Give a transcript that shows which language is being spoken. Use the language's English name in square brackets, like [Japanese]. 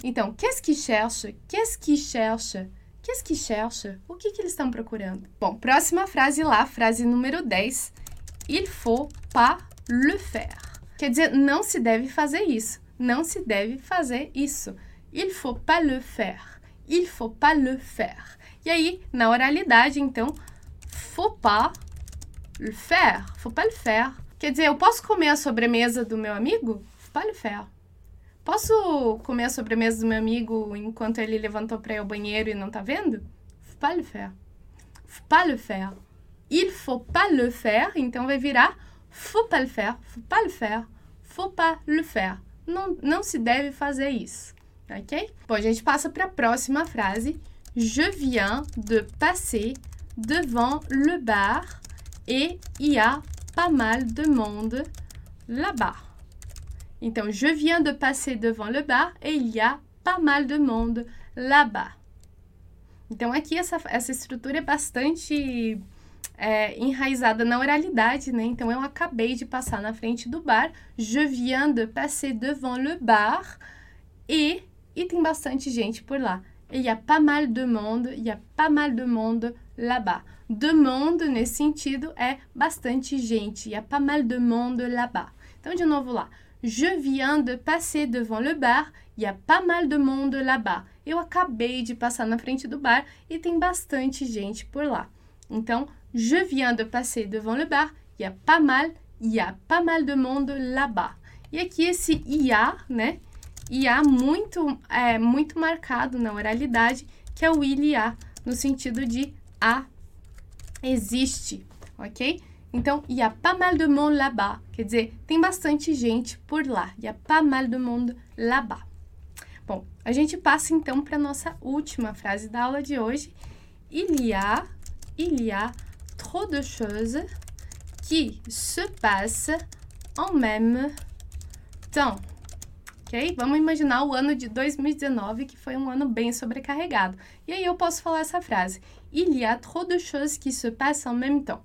[French] Então, qu'est-ce qu'ils cherchent? Qu'est-ce qu'ils cherchent? Qu'est-ce qu'ils cherchent? [Portuguese] O que que eles estão procurando? Bom, próxima frase lá, frase número 10. [French] Il faut pas le faire. [Portuguese] Quer dizer, não se deve fazer isso. Não se deve fazer isso. [French] Il faut pas le faire. Il faut pas le faire. [Portuguese] E aí, na oralidade, então, [French] faut pas le faire. Faut pas le faire. [Portuguese] Quer dizer, eu posso comer a sobremesa do meu amigo? [French] Faut pas le faire. [Portuguese] Posso comer a sobremesa do meu amigo enquanto ele levantou para ir ao banheiro e não tá vendo? [French] Faut pas le faire. Faut pas le faire. Il faut pas le faire, [Portuguese] então vai virar [French] faut pas le faire, faut pas le faire, faut pas le faire. [Portuguese] Não se deve fazer isso, ok? Bom, a gente passa para a próxima frase. [French] Je viens de passer devant le bar et il y a pas mal de monde là-bas. Então, je viens de passer devant le bar et il y a pas mal de monde là-bas. [Portuguese] Então, aqui essa estrutura é bastante enraizada na oralidade, né? Então, eu acabei de passar na frente do bar. [French] Je viens de passer devant le bar. [Portuguese] E tem bastante gente por lá. [French] Il y a pas mal de monde. Il y a pas mal de monde là-bas. De monde, [Portuguese] nesse sentido, é bastante gente. [French] Il y a pas mal de monde là-bas. [Portuguese] Então, de novo lá. [French] Je viens de passer devant le bar. Il y a pas mal de monde là-bas. [Portuguese] Eu acabei de passar na frente do bar e tem bastante gente por lá. [French] Então, je viens de passer devant le bar, il y a pas mal de monde là-bas. [Portuguese] E aqui esse il y a, né? Il y a muito, muito marcado na oralidade, que é o il y a, no sentido de a existe, ok? Então, [French] il y a pas mal de monde là-bas, [Portuguese] quer dizer, tem bastante gente por lá. [French] Il y a pas mal de monde là-bas. [Portuguese] Bom, a gente passa então para a nossa última frase da aula de hoje. [French] Il y a trop de choses qui se passent en même temps. Ok? [Portuguese] Vamos imaginar o ano de 2019, que foi um ano bem sobrecarregado. E aí eu posso falar essa frase. [French] Il y a trop de choses qui se passent en même temps.